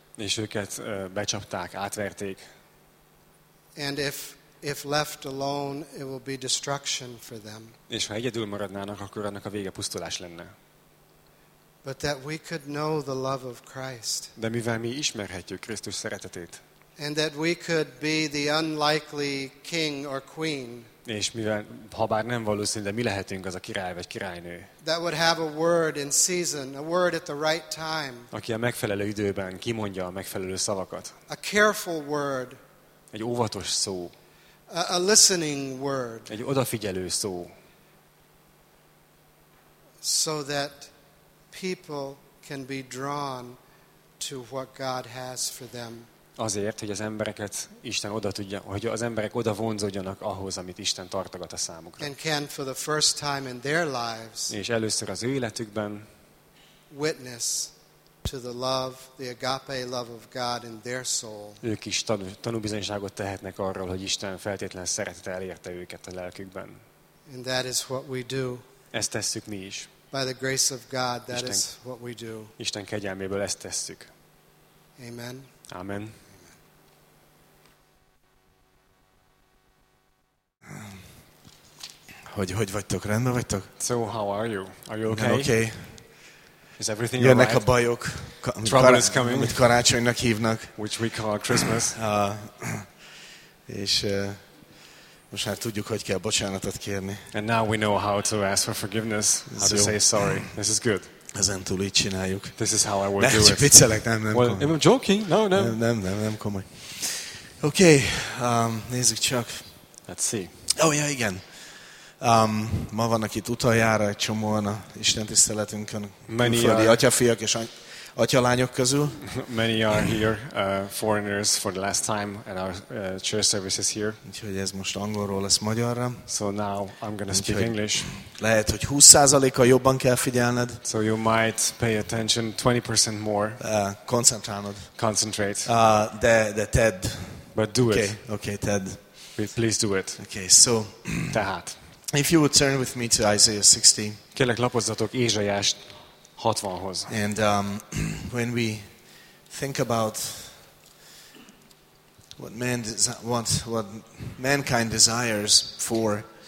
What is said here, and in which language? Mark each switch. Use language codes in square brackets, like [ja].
[hu] És őket becsapták, átverték. [en] And if left alone, it will be destruction for them. [hu] És ha egyedül maradnának, akkor annak a vége pusztulás lenne. [en] But that we could know the love of Christ. [hu] De mivel mi ismerhetjük Krisztus szeretetét. [en] And that we could be the unlikely king or queen. [hu] És mivel ha bár nem valószínű, de mi lehetünk az a király vagy királynő. [en] That would have a word in season, a word at the right time. [hu] Aki a megfelelő időben kimondja a megfelelő szavakat. [en] A careful word. [hu] Egy óvatos szó. [en] A listening word. [hu] Egy odafigyelő szó. [en] So that people can be drawn to what God has for them. [hu] Azért, hogy az embereket Isten oda tudja, hogy az emberek oda vonzódjanak ahhoz, amit Isten tartogat a számukra. [en] And can for the first time in their lives. [hu] És először az ő életükben [en] witness to the love, the agape love of God in their soul. [hu] Ők is tanúbizonyságot tehetnek arról, hogy Isten feltétlen szeretete elérte őket a lelkükben. [en] And that is what we do. [hu] Ezt tesszük mi is. [en] By the grace of God, that is what we do. [hu] Isten kegyelméből ezt tesszük. [en] Amen. [hu] Amen. Hogy vagytok? Rendben vagytok? [en] So how are you? Are you okay? Okay. Is everything [hu] jönnek [en] right? [hu] A bajok, amit karácsonynak hívnak. [en] Which we call Christmas. [hu] És most már tudjuk, hogy kell bocsánatot kérni. [en] And now we know how to ask for forgiveness, how to say sorry. This is good. [hu] Ezen túl így csináljuk. [en] This is how I will do it. [hu] Viccelek, nem [en] well, [hu] komoly. [en] I'm joking. No, no. [hu] Nem komoly. Okay, nézzük csak. [en] Let's see. Oh, yeah, [hu] igen. Ma vannak itt utoljára egy csomóan a Isten tiszteletünkön. [en] Many [hu] külföldi atyafiak és atyalányok közül. [en] Many are here foreigners for the last time in our church services here. [hu] Úgyhogy ez most angolról lesz magyarra. [en] So now I'm going to speak English. [hu] Lehet, hogy 20%-kal jobban kell figyelned. [en] So you might pay attention 20% more. [hu] Koncentrálnod. [en] Concentrate. [hu] De tedd. [en] But do okay. it. [hu] Okay, tedd. [en] Please do it. Okay, so. [hu] Tehát. [en] If you would turn with me to Isaiah 60. [hu] Kérlek, lapozzatok Ézsaiást 60-hoz. [en] And when we think about what mankind desires for,